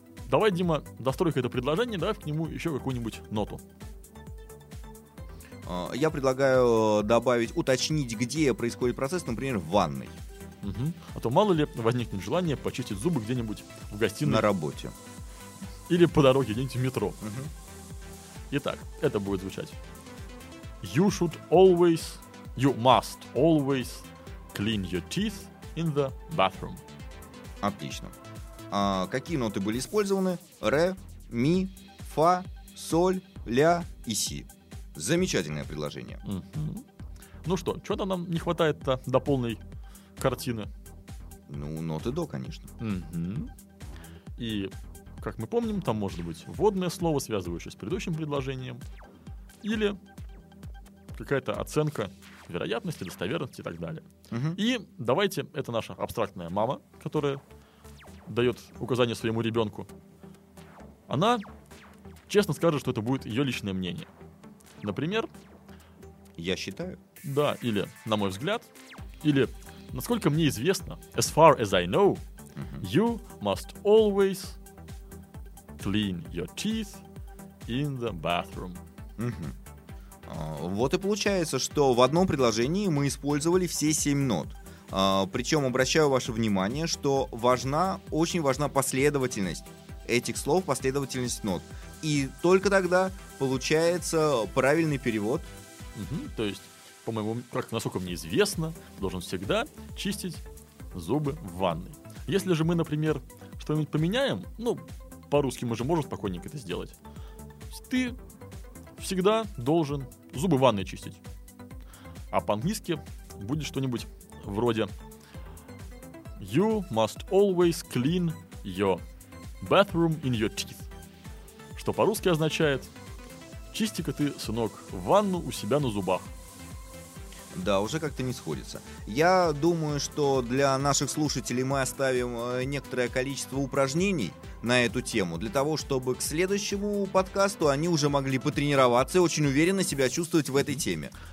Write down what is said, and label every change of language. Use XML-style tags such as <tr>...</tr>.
<ru>Давай, Дима, дострой-ка это предложение. Давай к нему еще какую-нибудь ноту. Я предлагаю добавить, уточнить, где происходит процесс, например, в ванной. Угу. А то мало ли возникнет желание почистить зубы где-нибудь в гостиной. На работе. Или по дороге где-нибудь в метро. Угу. Итак, это будет звучать.</ru> <en>You should always, you must always clean your teeth in the bathroom.</en> <ru>Отлично. А какие ноты были использованы? Ре, ми, фа, соль, ля и си. Замечательное предложение. Угу. Ну что, чего-то нам не хватает-то до полной картины? Ну, ноты до, конечно. Угу. И, как мы помним, там может быть вводное слово, связывающееся с предыдущим предложением, или какая-то оценка вероятности, достоверности и так далее. Угу. И давайте, это наша абстрактная мама, которая дает указание своему ребенку, она честно скажет, что это будет ее личное мнение. Например, я считаю. Да, или на мой взгляд, или насколько мне известно,</ru> <en>as far as I know, uh-huh. you must always clean your teeth in the bathroom. Uh-huh.</en> <ru>Вот и получается, что в одном предложении мы использовали все 7 нот. Причем обращаю ваше внимание, что важна, очень важна последовательность этих слов, последовательность нот. И только тогда получается правильный перевод. Угу, то есть, по-моему, как насколько мне известно, должен всегда чистить зубы в ванной. Если же мы, например, что-нибудь поменяем, ну, по-русски мы же можем спокойненько это сделать. Ты всегда должен зубы в ванной чистить. А по-английски будет что-нибудь вроде</ru> <en>You must always clean your bathroom in your teeth.</en> <ru>Что по-русски означает «Чисти-ка ты, сынок, ванну у себя на зубах». Да, уже как-то не сходится. Я думаю, что для наших слушателей мы оставим некоторое количество упражнений на эту тему, для того, чтобы к следующему подкасту они уже могли потренироваться и очень уверенно себя чувствовать в этой теме.</ru>